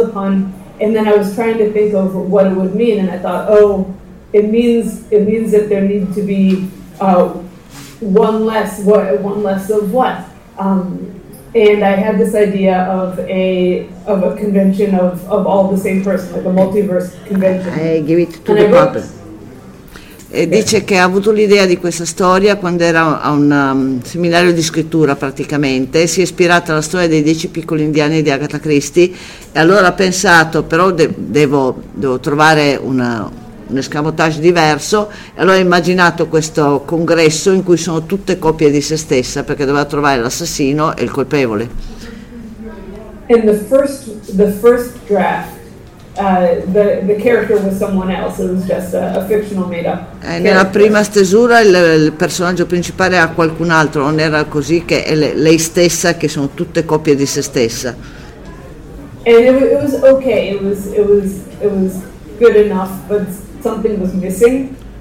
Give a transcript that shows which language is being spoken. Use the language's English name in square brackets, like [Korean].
[English] is a pun, and then I was trying to think of what it would mean, and I thought, oh, it means that there needs to be one less of what. And I had this idea of a convention of all the same person, like a multiverse convention. I give it to the puppet. [Italian] E dice che ha avuto l'idea di questa storia quando era a un seminario di scrittura praticamente, si è ispirata alla storia dei 10 piccoli indiani di Agatha Christie e allora ha pensato però devo trovare un escamotage diverso e allora ha immaginato questo congresso in cui sono tutte copie di se stessa perché doveva trovare l'assassino e il colpevole. [English] In the first draft the character was someone else. It was just a fictional made-up. [Italian] Nella prima stesura il personaggio principale era qualcun altro. Non era così che è lei stessa che sono tutte copie di se stessa. [English] And it was okay. It was good enough, but something was missing.